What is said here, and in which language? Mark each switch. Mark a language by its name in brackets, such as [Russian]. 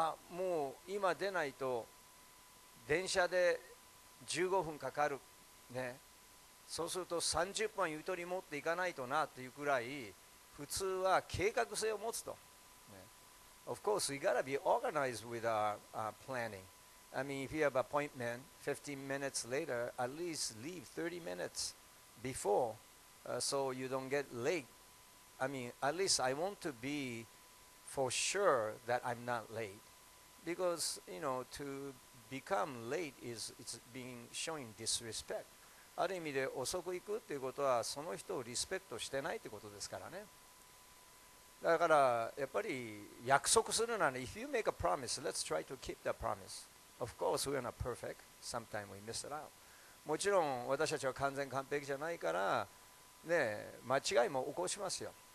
[Japanese] もう今出ないと電車で15分かかるね。そうすると30分ゆとり持っていかないとなっていうくらい、普通は計画性を持つと。 [English] Of course, we gotta be organized with our planning. I mean, if you have an appointment 15 minutes later, at least leave 30 minutes before, so you don't get late. I mean, at least I want to be for sure that I'm not late. Because, you know, to become late is it's being showing disrespect. [Japanese] ある意味で遅く行くっていうことは、その人をリスペクトしてないってことですからね。だからやっぱり約束するなら、 [English] If you make a promise, let's try to keep that promise. Of course, we are not perfect. Sometimes we miss it out. [Japanese] もちろん私たちは完全完璧じゃないから、ね、間違いも起こしますよ。